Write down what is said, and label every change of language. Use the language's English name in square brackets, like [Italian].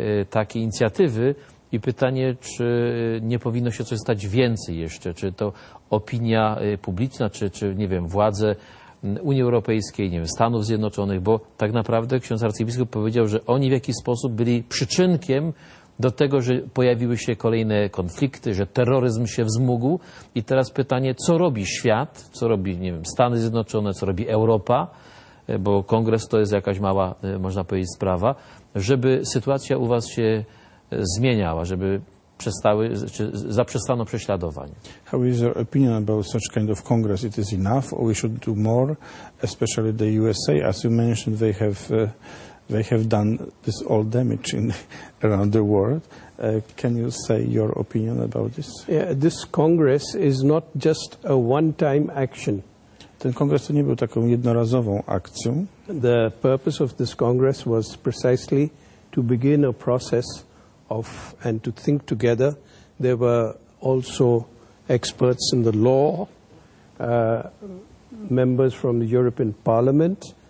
[Polish] takie inicjatywy i pytanie, czy nie powinno się coś stać więcej jeszcze, czy to opinia publiczna, czy nie wiem, władze Unii Europejskiej, nie wiem, Stanów Zjednoczonych, bo tak naprawdę ksiądz arcybiskup powiedział, że oni w jakiś sposób byli przyczynkiem do tego, że pojawiły się kolejne konflikty, że terroryzm się wzmógł. I teraz pytanie, co robi świat, co robi, nie wiem, Stany Zjednoczone, co robi Europa, bo kongres to jest jakaś mała, można powiedzieć, sprawa, żeby sytuacja u was się zmieniała, żeby zaprzestano prześladowań. [English] How is your opinion about such kind of congress? It is enough or we should do more, especially the USA? As you mentioned, they have done this all damage in around the world. Can you say your opinion about this? Yeah, this congress is not just a one-time action. [Polish] Ten kongres to nie był taką jednorazową akcją. [English] The purpose of this congress was precisely to begin a process of and to think together. There were also experts in the law, members from the European Parliament.